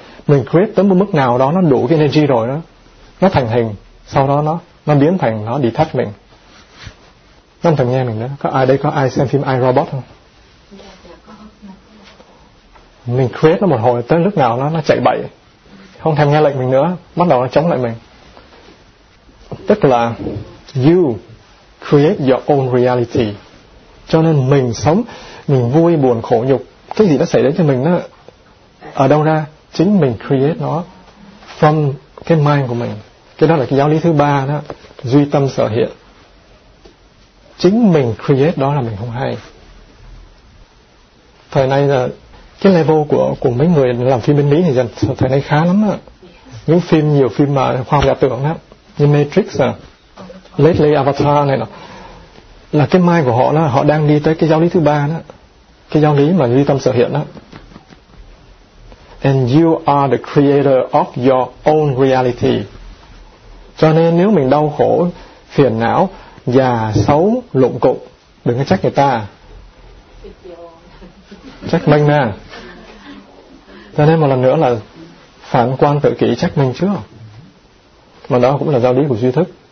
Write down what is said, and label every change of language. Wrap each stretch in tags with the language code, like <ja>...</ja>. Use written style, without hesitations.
<vi>Mình create tới một mức nào đó, nó đủ cái energy rồi đó. Nó thành hình, sau đó nó biến thành nó detach mình. Nó thường nghe mình đó. Có ai đây có ai xem phim iRobot không? Mình create nó một hồi, tới lúc nào nó chạy bậy, không thèm nghe lệnh mình nữa, bắt đầu nó chống lại mình. Tức là</vi> <en>you create your own reality.</en> <vi>Cho nên mình sống, mình vui, buồn, khổ, nhục, cái gì nó xảy đến cho mình đó, ở đâu ra? Chính mình create nó from cái mind của mình. Cái đó là cái giáo lý thứ ba đó, duy tâm sở hiện. Chính mình create đó là mình không hay. Thời nay là cái level của mấy người làm phim bên Mỹ thì dần thời nay khá lắm á. Những phim, nhiều phim mà khoa học giả tưởng á, như Matrix à, Lately Avatar này nọ, là cái mind của họ đó, họ đang đi tới cái giáo lý thứ ba đó, cái giáo lý mà duy tâm sở hiện đó.</vi> <en>And you are the creator of your own reality.</en> <vi>Cho nên nếu mình đau khổ, phiền não, già, xấu, lụng cụ, đừng có trách người ta, trách mình nè. Cho nên một lần nữa là phản quan tự kỷ, trách mình chứ. Mà đó cũng là giáo lý của duy thức.</vi>